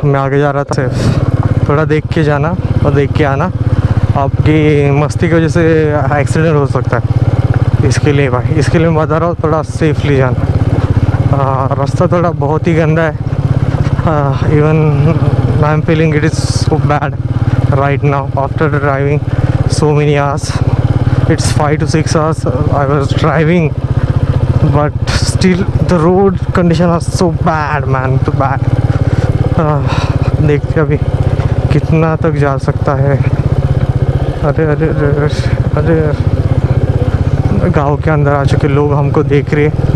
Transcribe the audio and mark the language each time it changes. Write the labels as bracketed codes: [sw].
[hi] मैं आगे जा रहा था, थोड़ा देख के जाना और देख के आना, आपकी मस्ती की वजह से एक्सीडेंट हो सकता है. इसके लिए मैं बता रहा हूँ, थोड़ा सेफली जाना. रास्ता थोड़ा बहुत ही गंदा है, [en] Even I am feeling it is so bad right now after driving so many hours. It's 5-6 hours I was driving, but still the road condition was so bad, man, too bad. [hi] देखते अभी कितना तक जा सकता है. अरे अरे अरे अरे, गाँव के अंदर आ चुके लोग हमको देख रहे.